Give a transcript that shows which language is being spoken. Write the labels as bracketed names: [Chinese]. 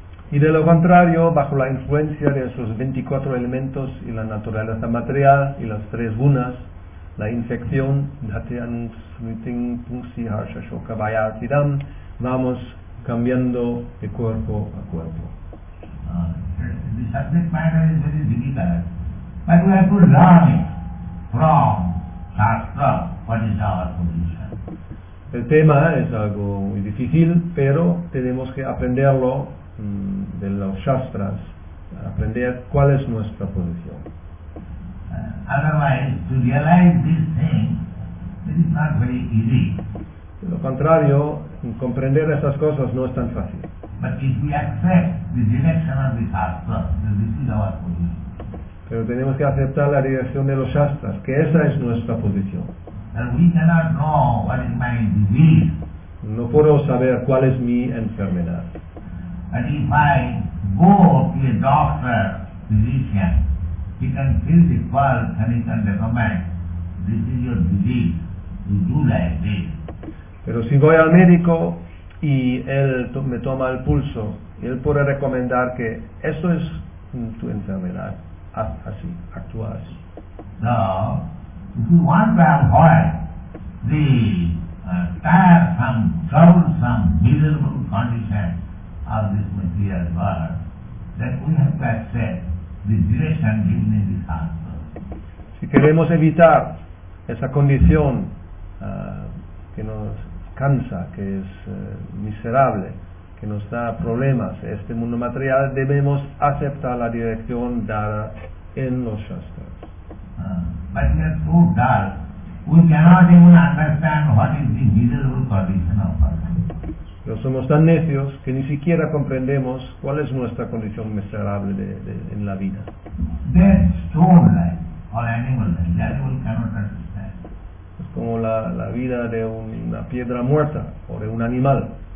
[Spanish] Y de lo contrario, bajo la influencia de esos 24 elementos y la naturaleza material y las tres gunas, la infección, vamos cambiando de cuerpo a cuerpo. [English] The subject matter is very difficult, but we have to learn it from Shastra, what is our position. [Spanish] El tema es algo muy difícil, pero tenemos que aprenderlo de los shastras, aprender cuál es nuestra posición. [English] Otherwise, to realize this thing, it is not very easy. [Spanish] De lo contrario, comprender esas cosas no es tan fácil. [English] But if we accept the direction of the shastra, then this is our position. [Spanish] Pero tenemos que aceptar la dirección de los shastras, que esa es nuestra posición. [English] And we cannot know what is my disease. [Spanish] No puedo saber cuál es mi enfermedad. [English] And if I go to a doctor, physician, he can feel the pulse and he can recommend, this is your disease, you do like this. [Spanish] Pero si voy al médico y él me toma el pulso, él puede recomendar que eso es tu enfermedad, haz así, actúa así. [English] So, if you want to avoid the tiresome, troublesome, miserable condition of this material world, that we have to accept the direction given in the shastra. [Spanish] Si queremos evitar esa condición que nos cansa, que es miserable, que nos da problemas en este mundo material, debemos aceptar la dirección dada en los shastras. [English] But we are so dull, we cannot even understand what is the miserable condition of us. [Spanish] Pero somos tan necios que ni siquiera comprendemos cuál es nuestra condición miserable de en la vida. [English] They're stone like or animal like, that we cannot understand. [Spanish] Es como la vida de una piedra muerta o de un animal.